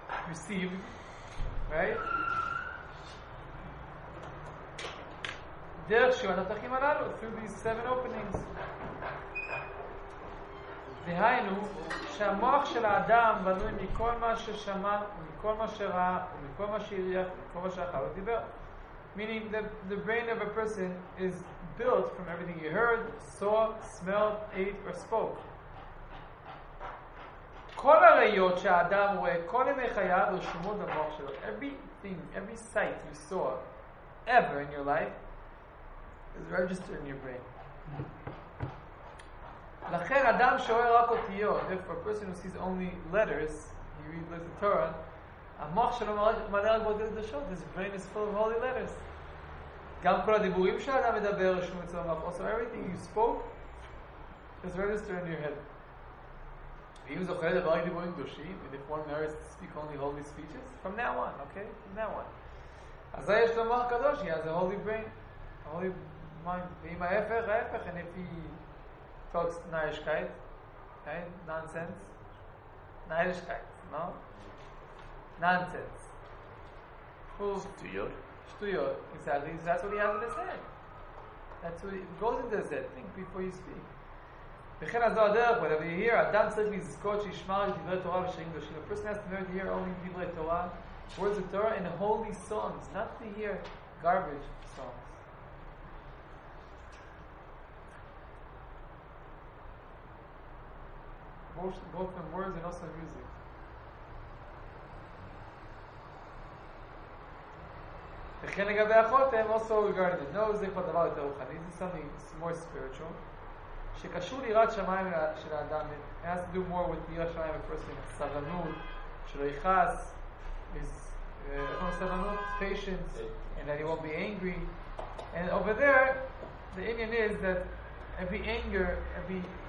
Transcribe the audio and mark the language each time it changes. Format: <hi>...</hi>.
<en>Received. Right?</en> <he>דרך שבעת הפתחים הללו,</he> <en>through these seven openings.</en> <he>והיינו, שהמוח של האדם בנוי מכל מה ששמע ומכל מה שראה ומכל מה שהריח ומכל מה שאכל ודיבר.</he> <en>Meaning that the brain of a person is built from everything he heard, saw, smelled, ate, or spoke.</en> <he>כל הראיות שהאדם רואה, כל ימי חייו רשומות במוח שלו.</he> <en>Everything, every sight you saw ever in your life is registered in your brain.</en> <he>לכן אדם שרואה רק אותיות,</he> <en>if a person who sees only letters, he reads the Torah,</en> <he>המוח שלו מלא רק באותיות קדושות,</he> <en>his brain is full of holy letters.</en> <he>גם כל הדיבורים שאדם מדבר רשום אצל המוח,</he> <en>also everything you spoke is registered in your head.</en> <he>ואם זוכר לדבר רק דיבורים קדושים,</he> <en>and if one merits to speak only holy speeches, from now on, okay? From now on.</en> <he>אז יש לו מוח קדוש,</he> <en>he has a holy brain, a holy mind.</en> <he>ואם ההפך, ההפך,</he> <en>and if he talks Nairishkeit, right? Nonsense. Nairishkeit, no? Nonsense.</en> <he>Stuyot. Stuyot, exactly.</he> <en>That's what he has in his head. That's what he goes into his head. Think before you speak.</en> <he>וכן הזו הדרך,</he> <en>whatever you hear,</en> <he>אדם צריך לזכות שישמע על דברי תורה ושרים קדושים.</he> <en>A person has to learn to hear only דברי תורה, words of Torah, and holy songs, not to hear garbage songs. Both in words and also in music.</en> <he>וכן לגבי החותם,</he> <en>also regarding it. No,</en> <he>זה כבר דבר יותר רוחני.</he> <en>This is something more spiritual.</en> <he>שקשור ליראת שמיים של האדם.</he> <en>It has to do more with</en> <he>ליראת שמיים</he> <en>of person.</en> <he>סבלנות, שלא יכעס. איך אומר סבלנות?</he> <en>Patience. And that he won't be angry. And over there, the Indian is that every anger, every...</en>